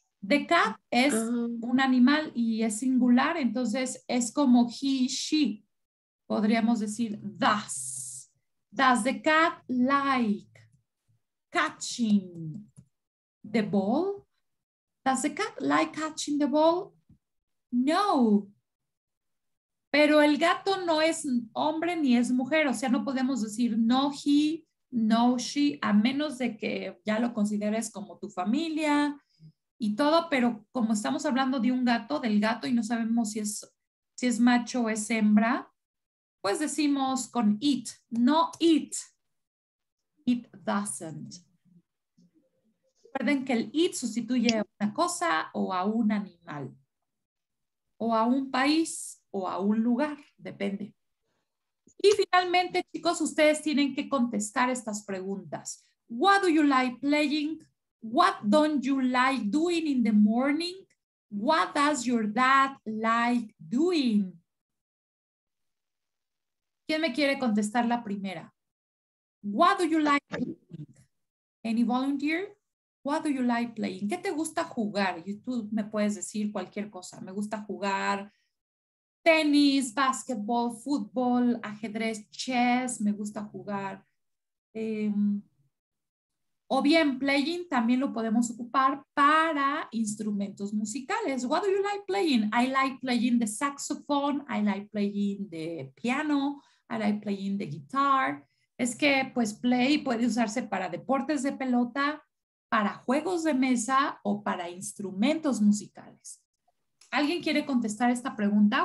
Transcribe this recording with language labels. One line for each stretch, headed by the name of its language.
English: The cat
Spanish: es un animal y es singular, entonces es como he, she. Podríamos decir does.
English: Does the cat like catching the ball? Does the cat like catching the ball? No.
Spanish: Pero el gato no es hombre ni es mujer, o sea, no podemos decir no he, no she, a menos de que ya lo consideres como tu familia y todo, pero como estamos hablando de un gato, del gato, y no sabemos si es macho o es hembra, pues decimos con it, no it,
English: it doesn't.
Spanish: Recuerden que el it sustituye a una cosa o a un animal, o a un país, o a un lugar, depende. Y finalmente, chicos, ustedes tienen que contestar estas preguntas.
English: What do you like playing? What don't you like doing in the morning? What does your dad like doing?
Spanish: ¿Quién me quiere contestar la primera?
English: What do you like playing? Any volunteer? What do you like playing?
Spanish: ¿Qué te gusta jugar? Y tú me puedes decir cualquier cosa. Me gusta jugar tenis, basketball, fútbol, ajedrez, chess, me gusta jugar. O bien, playing también lo podemos ocupar para instrumentos musicales.
English: What do you like playing? I like playing the saxophone, I like playing the piano, I like playing the guitar.
Spanish: Es que, pues, play puede usarse para deportes de pelota, para juegos de mesa o para instrumentos musicales. ¿Alguien quiere contestar esta pregunta?